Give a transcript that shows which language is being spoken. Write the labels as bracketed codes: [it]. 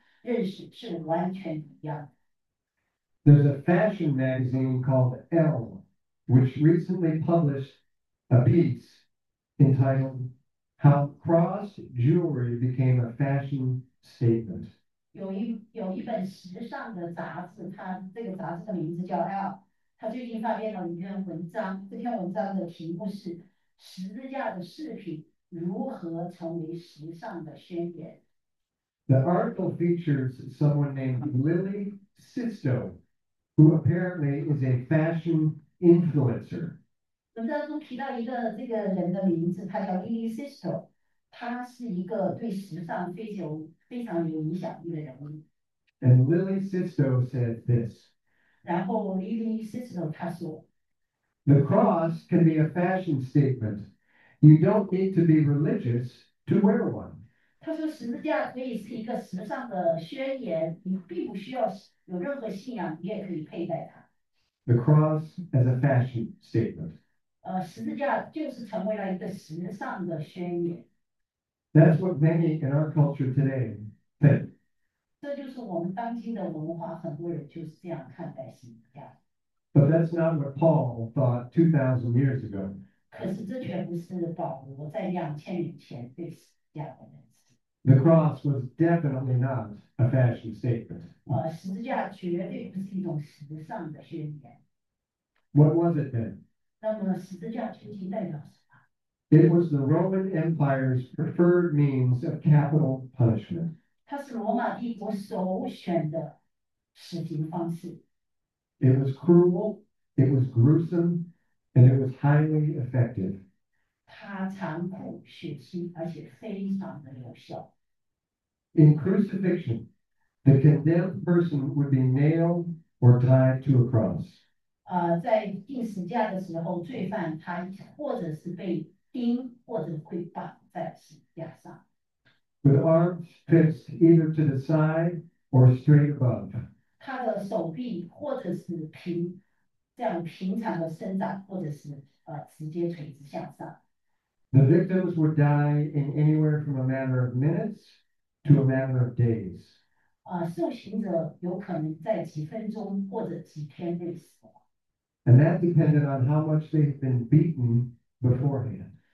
[zh] 首先，我们必须记住，在保罗心目中的十字架和我们现今世界历史架的看认识是完全一样的。 [en] There's a fashion magazine called Elle, which recently published a piece entitled How Cross Jewelry Became a Fashion Statement. [zh] 有一本时尚的杂志，它这个杂志的名字叫《L》，它最近发表了一篇文章，这篇文章的题目是《十字架的饰品如何成为时尚的宣言》。 [en] The article features someone named Lily Sisto, who apparently is a fashion influencer. [zh] 文章中提到一个这个人的名字，他叫 Lily Sisto，他是一个对时尚非常有影响力的人物。 [en] And Lily Sisto said this: [zh] 然后 Lily Sisto 他说， [en] The cross can be a fashion statement. You don't need to be religious to wear one. [zh] 他说十字架可以是一个时尚的宣言，你并不需要有任何信仰，你也可以佩戴它。 [en] The cross as a fashion statement. [zh] 十字架就是成为了一个时尚的宣言。 [en] That's what many in our culture today think. [zh] 这就是我们当今的文化，很多人就是这样看待十字架。 [en] But that's not what Paul thought 2,000 years ago. [zh] 可是这却不是保罗在2000年前对十字架的认识。 [en] The cross was definitely not a fashion statement. [zh] 十字架绝对不是一种时尚的宣言。 [en] What was it then? [zh] 那么十字架究竟代表什么？ [en] It was the Roman Empire's preferred means of capital punishment. [zh] 它是罗马帝国首选的死刑方式。 [en] It was cruel, it was gruesome, and it was highly effective. [zh] 它残酷、血腥，而且非常的有效。 [en] In crucifixion, the condemned person would be nailed or tied to a cross. [zh] 在钉十字架的时候，罪犯他或者是被钉，或者会绑在十字架上。 [en] with arms fixed either to the side or straight above. [zh] 他的手臂或者是平这样平常的伸展，或者是直接垂直向上。 [en] The victims would die in anywhere from a matter of minutes to a matter of days. [zh] 受刑者有可能在几分钟或者几天内死亡。 [en] And that depended on how much they had been beaten beforehand.